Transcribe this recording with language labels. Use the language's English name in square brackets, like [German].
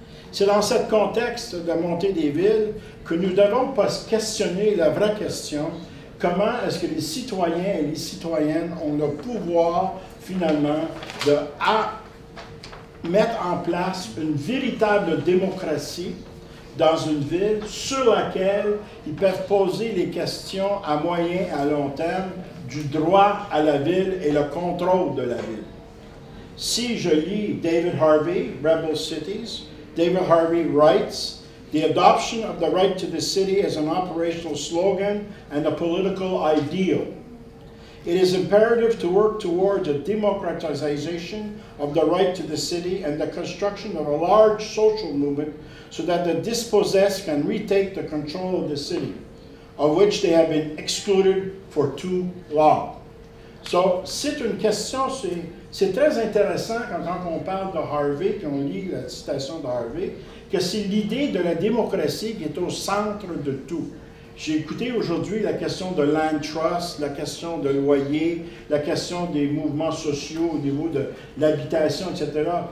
[French] C'est dans ce contexte de montée des villes que nous devons pas questionner la vraie question, comment est-ce que les citoyens et les citoyennes ont le pouvoir, finalement, de mettre en place une véritable démocratie dans une ville sur laquelle ils peuvent poser les questions à moyen et à long terme du droit à la ville et le contrôle de la ville. Si je lis [English] David Harvey, Rebel Cities, David Harvey writes, "The adoption of the right to the city as an operational slogan and a political ideal. It is imperative to work towards a democratization of the right to the city and the construction of a large social movement so that the dispossessed can retake the control of the city, of which they have been excluded for too long." [French] So, c'est une question, c'est très intéressant quand on parle de Harvey, puis on lit la citation de Harvey, que c'est l'idée de la démocratie qui est au centre de tout. J'ai écouté aujourd'hui la question de land trust, la question de loyer, la question des mouvements sociaux au niveau de l'habitation, etc.